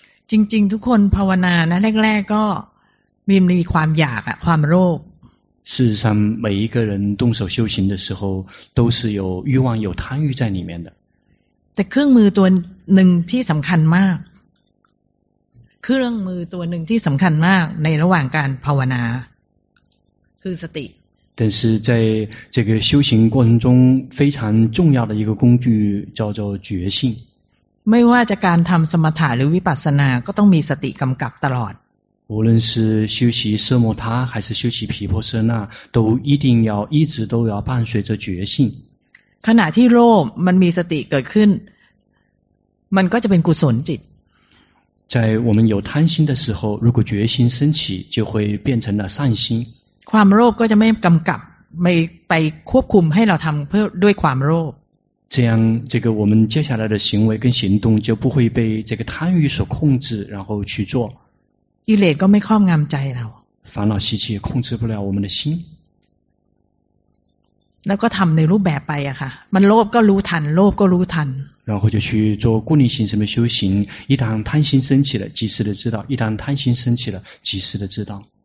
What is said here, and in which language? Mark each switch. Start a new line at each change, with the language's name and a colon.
Thai: จริงๆทุกคนภาวนานะแรกๆก็มีความอยากอะความโลภ
Chinese: 事实上每一个人动手修行的时候都是有欲望有贪欲在里面的
Thai: แต่เครื่องมือตัวหนึ่งที่สำคัญมากเครื่องมือตัวหนึ่งที่สำคัญมากในระหว่างการภาวนาคือสติ
Chinese: 但是在这个修行过程中非常重要的一个工具叫做觉性
Thai: ไม่ว่าจะการทำสมถะหรือวิปัสสนาก็ต้องมีสติกำกับตลอด
Chinese: 无论是修习奢摩他还是修习毗婆舍那都一定要一直都要伴随着觉性
Thai: ขณะที่โลภมันมีสติเกิดขึ้นมันก็จะเป็นกุศลจิต
Chinese: 在我们有贪心的时候如果觉心升起就会变成了善心
Thai: ความโลภก็จะไม่กำกับ
Chinese: 没被
Thai: ควบคุมให้เราทำเพื่อด้วยความโลภ
Chinese: 这样这个我们接下来的行为跟行动就不会被这个贪欲所控制然后去做
Thai: กิเลสก็ไม่ครอบงำใจเรา
Chinese: 烦恼习气也控制不了我们的心
Thai: แล้วก็ทำในรูปแบบไปอะค่ะมันโลภก็รู้ทันโลภก็รู้ทัน
Chinese: 然后就去做固定心什么修行一旦贪心升起了及时的知道一旦贪心升起了及时的知道